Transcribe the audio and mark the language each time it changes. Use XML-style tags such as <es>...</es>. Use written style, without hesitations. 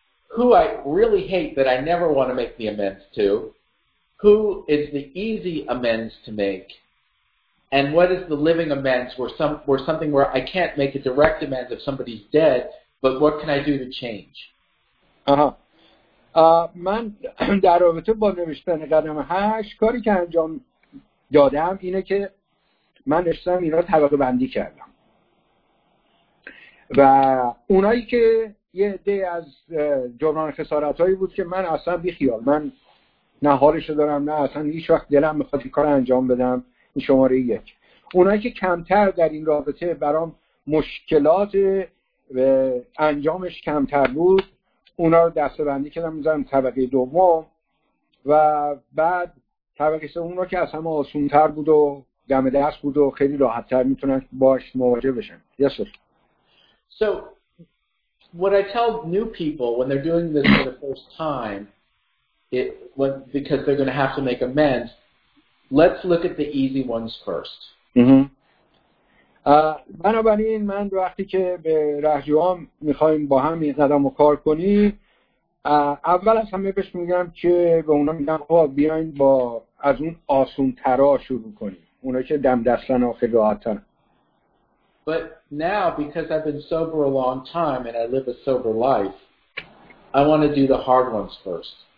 <en>Who I really hate that I never want to make the amends to, who is the easy amends to make, and what is the living amends where something where I can't make a direct amends if somebody's dead, but what can I do to change?</en> <fa>من در رابطه با نوشتن قدم 8 کاری که انجام دادم اینه که من نشستم اینا طبقه بندی کردم و اونایی که یه عده از جبران خسارت هایی بود که من اصلا بی خیال من نه حالش دارم نه اصلا هیچ وقت دلم میخواد این کار انجام بدم این شماره 1. اونایی که کمتر در این رابطه برام مشکلات انجامش کمتر بود اونا رو دسته‌بندی کردم می‌ذارم طبقه دوم و بعد طبقه سوم رو که از همه آسان‌تر بود و دم دست بود و خیلی راحت‌تر می‌تونن باش مواجه بشن.</fa> <en>Yes, sir. So what I tell new people when they're doing this for the first time because they're going to have to make amends, let's look at the easy ones first.</en> <fa>بنابراین من وقتی که به رهجوام میخواییم با هم این قدم رو کار کنیم اول از همه بهش میگم که به اونا میگم بیاین با از اون آسون ترا شروع کنیم اونا که دم دستن آخه راحتن.</fa> <en>But now because I've been sober a long time and I live a sober life, I want to do the hard ones first.</en>